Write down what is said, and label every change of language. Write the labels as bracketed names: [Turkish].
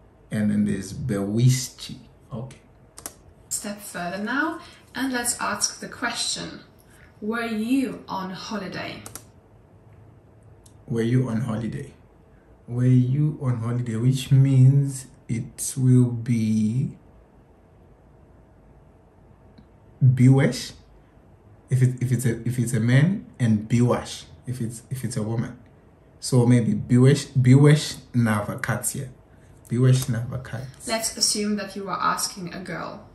[English] And then there's byłyście. Okay. Step further now, and let's ask the question, were you on holiday? Were you on holiday? Were you on holiday? Which means it will be byłeś, if it's a man, and byłaś, if it's a woman. So maybe [Polish] byłeś na wakacje. Byłeś na wakacje. [English] Let's assume that you are asking a girl.